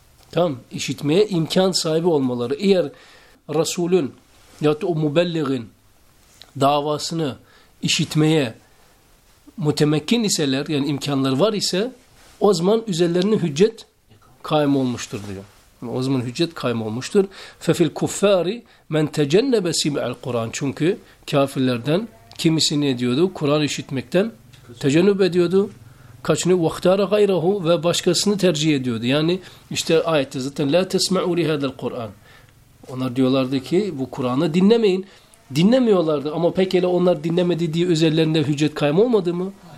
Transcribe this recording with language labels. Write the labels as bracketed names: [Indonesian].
[Turkish] Tamam, işitmeye imkan sahibi olmaları. Eğer Resul'ün ya da o mübelliğin davasını işitmeye mütemekkin iseler, yani imkanları var ise, o zaman üzerlerine hüccet kaim olmuştur diyor. O zaman hüccet kaim olmuştur. [Arabic] فَفِي الْكُفَّارِ مَنْ تَجَنَّبَ سِمْعَ الْقُرْآنِ [Turkish] Çünkü kafirlerden kimisi ne diyordu? Kur'an işitmekten tecenüp ediyordu. Kaçını vaktara gayrahu ve başkasını tercih ediyordu. Yani işte ayette zaten la tesme'u lihazel Kur'an. Onlar diyorlardı ki bu Kur'an'ı dinlemeyin. Dinlemiyorlardı ama pekala onlar dinlemedi diye üzerlerinde hüccet kayma olmadı mı?